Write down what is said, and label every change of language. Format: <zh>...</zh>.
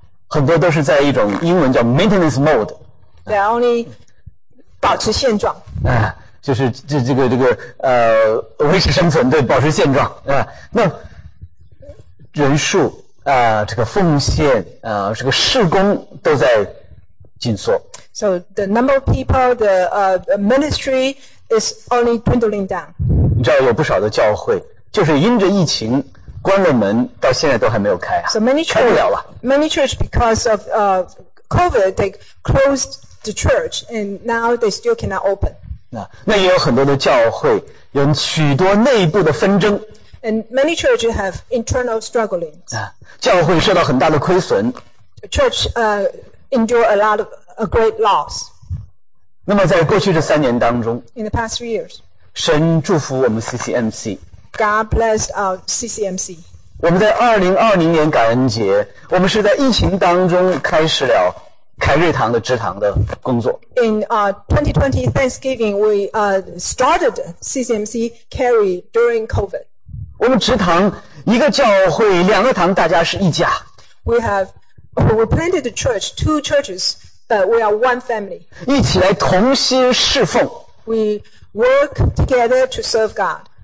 <zh>很多都是在一种英文叫 maintenance mode。对 ，only 保持现状。啊，就是这个维持生存，对，保持现状啊。那人数啊，这个奉献啊，这个事工都在紧缩。</zh> <en>So the number of people, the ministry is only dwindling down.</en> <zh>你知道有不少的教会就是因着疫情关了门，到现在都还没有开啊。</zh> <en>So many church,</en> <zh>开不了了。</zh> <en>Many church because of COVID, they closed the church and now they still cannot open.</en> <zh>那也有很多的教会有许多内部的纷争。</zh> <en>And many church have internal struggling.</en> <zh>教会受到很大的亏损。</zh> <en>Church endure a lot of a great loss.</en> <zh>那么在过去这三年当中</zh> <en>In the past 3 years,</en> <zh>神祝福我们 CCMC.</zh> <en>God blessed our CCMC.</en> <zh>我们在2020年感恩节，我们是在疫情当中开始了凯瑞堂的支堂的工作。</zh> <en>In 2020 Thanksgiving, we started CCMC Cary during COVID.</en> <zh>我们支堂一个教会两个堂，大家是一家。</zh> <en>We planted a church, two churches. But we are one family.</en> <zh>一起来同心侍奉。</zh> <en>We work together to serve God.</en>